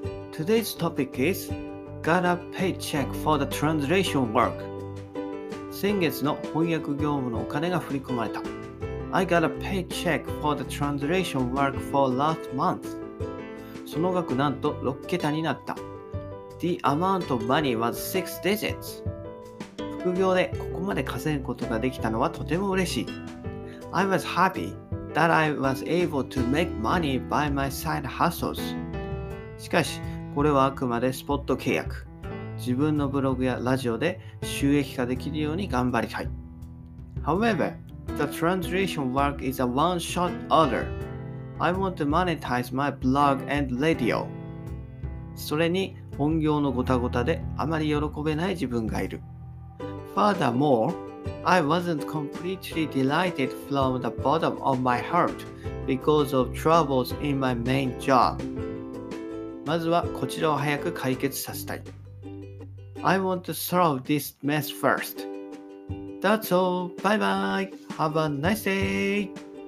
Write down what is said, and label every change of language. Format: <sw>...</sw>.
<en>Today's topic is, got a paycheck for the translation work.</en> <ja>先月の翻訳業務のお金が振り込まれた。</ja> <en>I got a paycheck for the translation work for last month.</en> <ja>その額なんと6桁になった。</ja> <en>The amount of money was 6 digits.</en> <ja>副業でここまで稼ぐことができたのはとても嬉しい。</ja> <en>I was happy. That I was able to make money by my side hustles.</en> <ja>しかし、これはあくまでスポット契約。自分のブログやラジオで収益化できるように頑張りたい。</ja> <en>However, the translation work is a one-shot order. I want to monetize my blog and radio.</en> <ja>それに、本業のごたごたであまり喜べない自分がいる。</ja> <en>Furthermore,I wasn't completely delighted from the bottom of my heart because of troubles in my main job.</en> <ja>まずはこちらを早く解決させたい。</ja> <en>I want to solve this mess first. That's all. Bye bye. Have a nice day.</en>